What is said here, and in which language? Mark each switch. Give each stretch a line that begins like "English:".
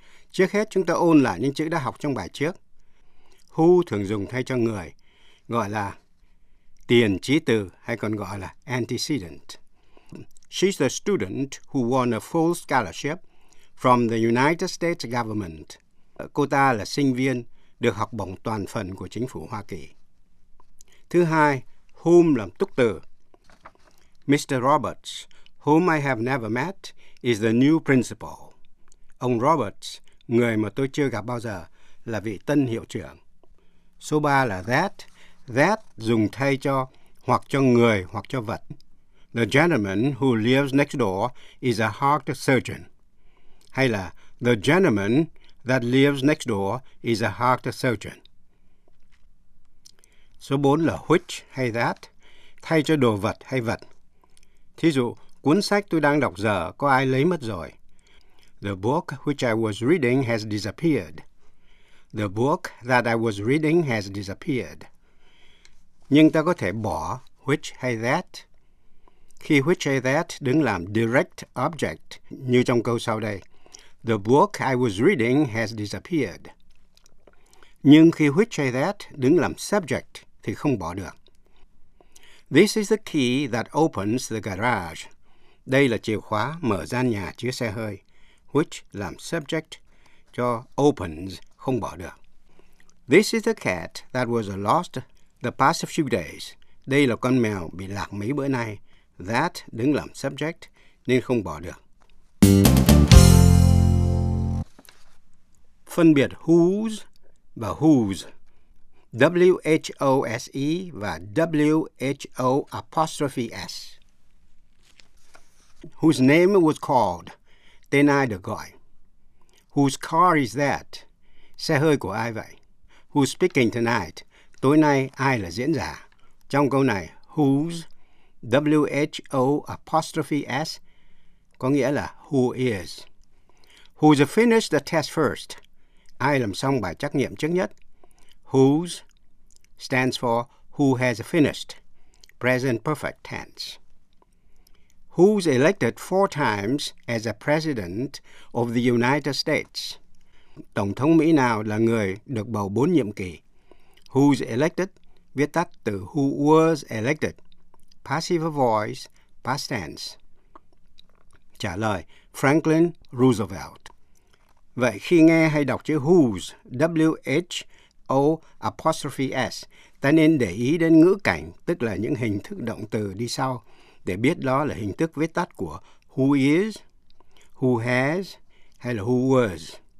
Vietnamese: Trước hết, chúng ta ôn lại những chữ đã học trong bài trước. Who thường dùng thay cho người, gọi là tiền chí từ, hay còn gọi là antecedent.
English: She's the student who won a full scholarship from the United States government.
Vietnamese: Cô ta là sinh viên được học bổng toàn phần của chính phủ Hoa Kỳ. Thứ hai, whom làm túc từ. Mr.
English: Roberts, whom I have never met, is the new principal.
Vietnamese: Ông Roberts, người mà tôi chưa gặp bao giờ, là vị tân hiệu trưởng. Số 3 là that. That dùng thay cho hoặc cho người hoặc cho vật.
English: The gentleman who lives next door is a heart surgeon.
Vietnamese: Hay là
English: the gentleman that lives next door is a heart surgeon.
Vietnamese: Số 4 là which hay that, thay cho đồ vật hay vật. Thí dụ, cuốn sách tôi đang đọc giờ có ai lấy mất rồi.
English: The book which I was reading has disappeared. The book that I was reading has disappeared.
Vietnamese: Nhưng ta có thể bỏ which hay that. Khi which hay that đứng làm direct object như trong câu sau đây.
English: The book I was reading has disappeared.
Vietnamese: Nhưng khi which hay that đứng làm subject thì không bỏ được.
English: This is the key that opens the garage.
Vietnamese: Đây là chìa khóa mở gian nhà chứa xe hơi. Which làm subject cho opens, không bỏ được.
English: This is the cat that was lost the past few days.
Vietnamese: Đây là con mèo bị lạc mấy bữa nay. That đứng làm subject nên không bỏ được. Phân biệt whose và whose. W-H-O-S-E và W-H-O apostrophe S.
English: Whose name was called?
Vietnamese: Tên ai được gọi?
English: Whose car is that?
Vietnamese: Xe hơi của ai vậy?
English: Who's speaking tonight?
Vietnamese: Tối nay ai là diễn giả? Trong câu này, whose, W-H-O apostrophe S, có nghĩa là who is.
English: Who's finished the test first?
Vietnamese: Ai làm xong bài trắc nghiệm trước nhất?
English: Whose stands for who has finished, present perfect tense. Who's elected 4 times as a president of the United States?
Vietnamese: Tổng thống Mỹ nào là người được bầu 4 nhiệm kỳ?
English: Who's elected,
Vietnamese: viết tắt từ
English: who was elected, passive voice, past tense.
Vietnamese: Trả lời, Franklin Roosevelt. Vậy khi nghe hay đọc chữ who's, W-H-O apostrophe S, ta nên để ý đến ngữ cảnh, tức là những hình thức động từ đi sau, để biết đó là hình thức viết tắt của who is, who has, hay là who was.